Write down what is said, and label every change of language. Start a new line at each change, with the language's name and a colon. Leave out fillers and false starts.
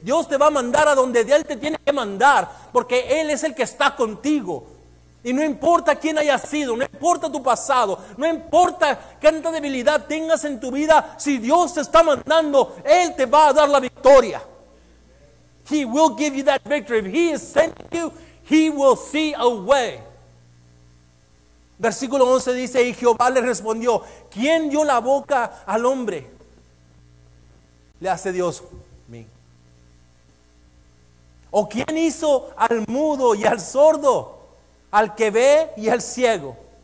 Spanish: Dios te va a mandar a donde Él te tiene que mandar, porque Él es el que está contigo. Y no importa quién hayas sido, no importa tu pasado, no importa cuánta debilidad tengas en tu vida, si Dios te está mandando, Él te va a dar la victoria.
English: He will give you that victory. If he is sending you, he will see a way.
Spanish: Versículo 11 dice, y Jehová le respondió, ¿quién dio la boca al hombre? Le hace Dios, mí. ¿O quién hizo al mudo y al sordo, al que ve y al ciego?